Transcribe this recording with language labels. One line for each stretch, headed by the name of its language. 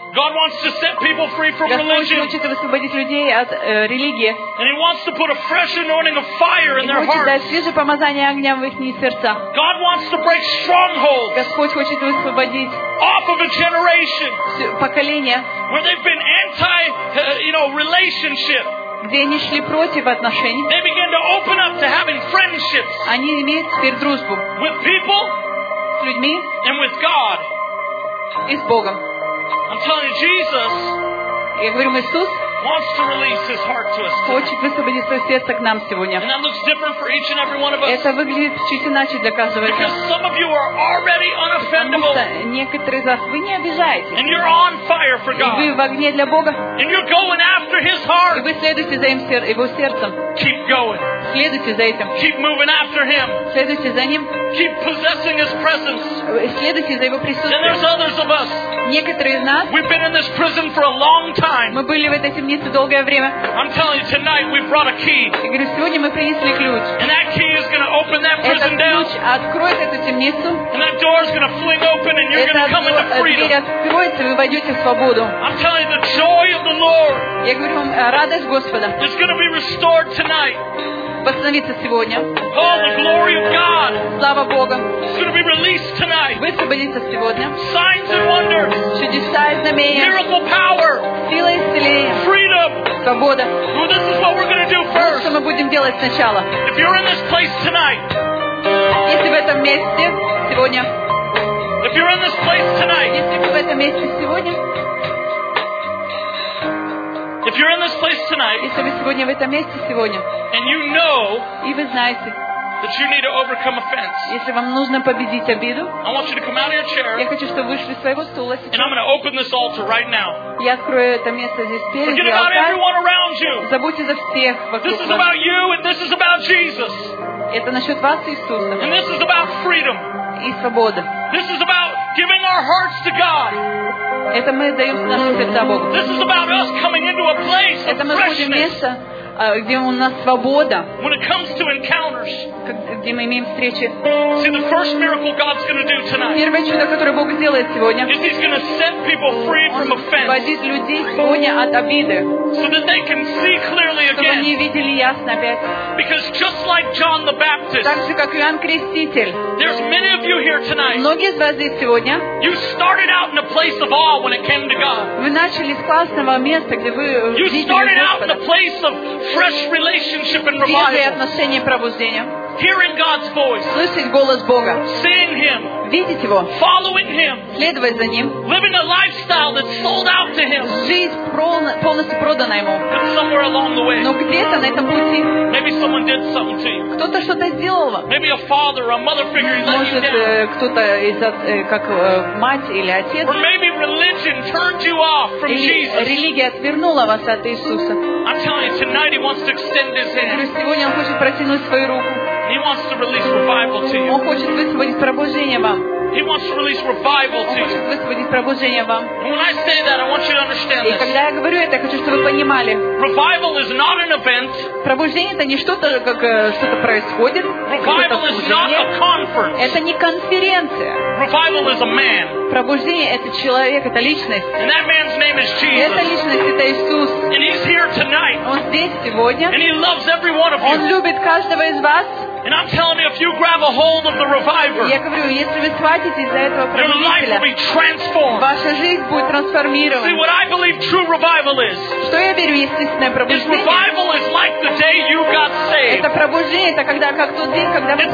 English: God wants to set people free from religion.
Russian: Хочет освободить людей от религии.
English: And he wants to put a fresh anointing of fire in their hearts.
Russian: Хочет дать свежее помазание огнем в их сердца.
English: God wants to break strongholds.
Russian: Господь хочет освободить
English: off of a generation.
Russian: Поколение.
English: Where they've been anti, you know, relationship.
Russian: Где они шли против отношений.
English: They began to open up to having friendships.
Russian: Они имеют теперь дружбу.
English: With people.
Russian: С людьми.
English: And with God.
Russian: И с Богом.
English: I'm telling you, Jesus.
Russian: Я говорю, Иисус.
English: Wants to release his heart to us.
Russian: Хочет высвободить свое сердце к нам сегодня.
English: And that looks different for each and every one of us.
Russian: Это выглядит чуть иначе для каждого.
English: Because some of you are already unoffendable.
Russian: Некоторые из вас вы не обижаетесь.
English: And you're on fire for God.
Russian: И вы в огне для Бога.
English: And you're going after his heart.
Russian: И вы следуете за его сердцем.
English: Keep going.
Russian: Следуйте за этим.
English: Keep moving after him.
Russian: Следуйте за ним.
English: Keep possessing his presence.
Russian: Следуйте за его присутствием.
English: And there's others of us.
Russian: Некоторые из нас.
English: We've been in this prison for a long time.
Russian: Мы были в этой тюрьме.
English: I'm telling you, tonight we brought a key.
Russian: Я говорю, сегодня мы принесли ключ.
English: And that key is going to open that prison down.
Russian: Этот ключ откроет эту темницу.
English: And that door is going to fling open, and you're going to come into freedom.
Russian: Эта дверь откроется, вы войдете в свободу.
English: I'm telling you, the joy of the Lord.
Russian: Я говорю вам, радость Господа.
English: It's going to be restored tonight.
Russian: Восстановится сегодня.
English: Oh, the glory of God.
Russian: Слава Богу.
English: It's going to be released tonight.
Russian: Высвободится сегодня.
English: Signs and wonders.
Russian: Чудеса и знамения.
English: Miracle power.
Russian: Сила исцеления.
English: Freedom.
Russian: Свобода.
English: Well, this is what we're going to do first.
Russian: Вот что мы будем делать сначала.
English: If you're in this place tonight.
Russian: Если в этом месте сегодня.
English: If you're in this place tonight.
Russian: Если вы в этом месте сегодня.
English: If you're in this place tonight.
Russian: Если вы сегодня в этом месте сегодня.
English: And you know.
Russian: И вы знаете.
English: That you need to overcome offense.
Russian: Если вам нужно победить обиду.
English: I want you to come out of your chair.
Russian: Я хочу, чтобы вы вышли из своего стула сейчас.
English: And I'm going to open this altar right now.
Russian: Я открою это место здесь перед алтарем.
English: Forget about everyone around you.
Russian: Забудьте за всех вокруг вас.
English: This is about you and this is about Jesus.
Russian: Это насчет вас и Иисуса.
English: And this is about freedom.
Russian: И свобода.
English: This is about giving our hearts to God.
Russian: Это мы даем наши сердца Богу.
English: This is about us coming into a place of freshness.
Russian: Это мы входим в место, где у нас свобода.
English: When it comes to encounters.
Russian: Где мы имеем встречи.
English: See, the first miracle God's going to do tonight.
Russian: Первое чудо, которое Бог сделает сегодня.
English: Is he's going to set people free from offense.
Russian: Освободит людей сегодня от обиды.
English: So that they can see clearly again.
Russian: Чтобы они видели ясно опять.
English: Because just like John the Baptist,
Russian: так же, как Иоанн Креститель,
English: there's many of you here tonight.
Russian: Многие из вас здесь сегодня.
English: You started out in a place of awe when it came to God.
Russian: Вы начали с классного места, где вы видели Господа.
English: You started out in a place of fresh relationship and revival.
Russian: Видели отношения и пробуждение.
English: Hearing God's voice.
Russian: Слышать голос Бога.
English: Seeing Him.
Russian: Видеть Его.
English: Following Him.
Russian: Следовать за Ним.
English: Living a lifestyle that's sold out to Him.
Russian: Жизнь полностью продана Ему.
English: And somewhere along the way.
Russian: Но где-то на этом пути.
English: Maybe someone did something to you.
Russian: Кто-то что-то сделал вам.
English: Maybe a father or a mother figure let you down.
Russian: Может, кто-то из как мать или отец.
English: Or maybe religion turned you off from Jesus.
Russian: Или религия отвернула вас от Иисуса.
English: I'm telling you, tonight He wants to extend His hand.
Russian: Сегодня Он хочет протянуть свою руку.
English: He wants to release revival to you.
Russian: Он хочет высвободить пробуждение вам.
English: He wants to release revival to you.
Russian: Он хочет высвободить пробуждение вам.
English: When I say that, I want you to understand this.
Russian: И когда я говорю это, я хочу, чтобы вы понимали.
English: Revival is not an event.
Russian: Пробуждение это не что-то, как что-то происходит.
English: Revival is not a conference.
Russian: Это не конференция.
English: Revival is a man.
Russian: Пробуждение это человек, это личность.
English: And that man's name is Jesus.
Russian: Эта личность это Иисус.
English: And he's here tonight.
Russian: Он здесь сегодня.
English: And he loves every one of you.
Russian: Он любит каждого из вас.
English: And I'm telling you, if you grab a hold of the reviver,
Russian: я говорю, если вы схватитесь за этого пробудителя, ваша жизнь будет трансформирована.
English: See what I believe true revival is?
Russian: Что я верю в истинное пробуждение?
English: Revival is like the day you got saved.
Russian: Это пробуждение, это когда как тот день, когда вы получили